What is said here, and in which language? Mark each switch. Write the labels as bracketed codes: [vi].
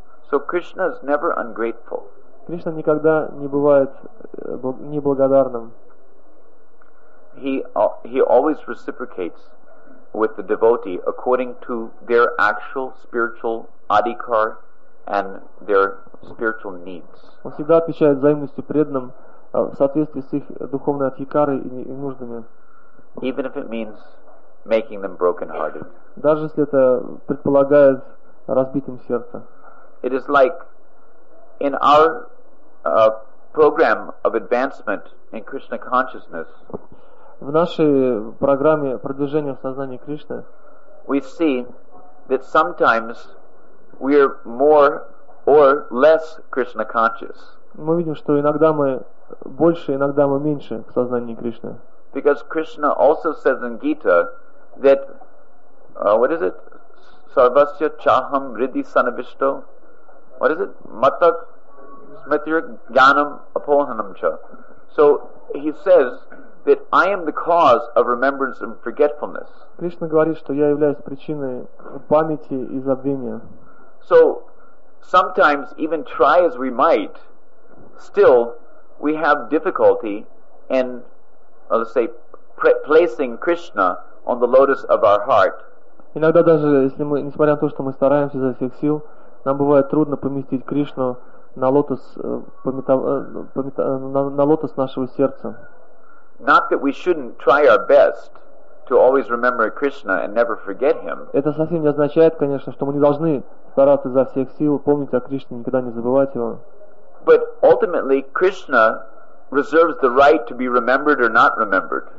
[en] So Krishna is never ungrateful. [ru] Кришна никогда не бывает неблагодарным. [en] He always reciprocates with the devotee according to their actual spiritual adhikar and their spiritual needs. [ru] Он всегда отвечает взаимностью преданным в соответствии с их духовной адхикарой и нуждами. [en] Even if it means making them broken-hearted. [ru] Даже если это предполагает разбитым сердце. [en] It is like in our program of advancement in Krishna consciousness. [ru] В нашей программе продвижения в сознании Кришны. [en] We see that sometimes we are more or less Krishna conscious. [ru] Мы видим, что иногда мы больше, иногда мы меньше в сознании Кришны. [en] Because Krishna also says in Gita that what is it? [sa] Sarvasya chaham riddhi sanavishto. [en] What is it? [sa] Matak smitir gyanam apohanam cha. [en] So he says that I am the cause of remembrance and forgetfulness. [ru] Кришна говорит, что я являюсь причиной памяти и забвения. [en] So sometimes, even try as we might, still we have difficulty in, let's say, placing Krishna on the lotus of our heart. [ru] Иногда даже если мы, несмотря на то, что мы стараемся изо всех сил, нам бывает трудно поместить Кришну на лотос на лотос нашего сердца. [en] Not that we shouldn't try our best to always remember Krishna and never forget him. [ru] Это совсем не означает, конечно, что мы не должны стараться изо всех сил помнить о Кришне, никогда не забывать его. [en] But ultimately, Krishna reserves the right to be remembered or not remembered.